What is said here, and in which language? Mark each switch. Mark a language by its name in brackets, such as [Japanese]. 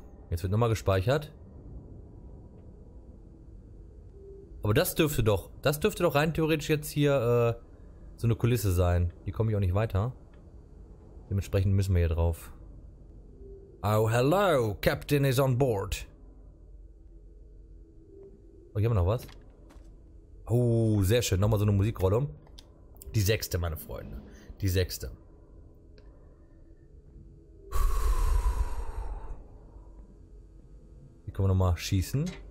[German] Jetzt wird nochmal gespeichert. Aber das dürfte doch rein theoretisch jetzt hier so eine Kulisse sein. Hier komme ich auch nicht weiter. Dementsprechend müssen wir hier drauf. [English] Oh, hello! Captain is on board! [German] Oh, hier haben wir noch was. Oh, sehr schön. Nochmal so eine Musikrolle. Die sechste, meine Freunde. Die sechste. Hier können wir nochmal schießen.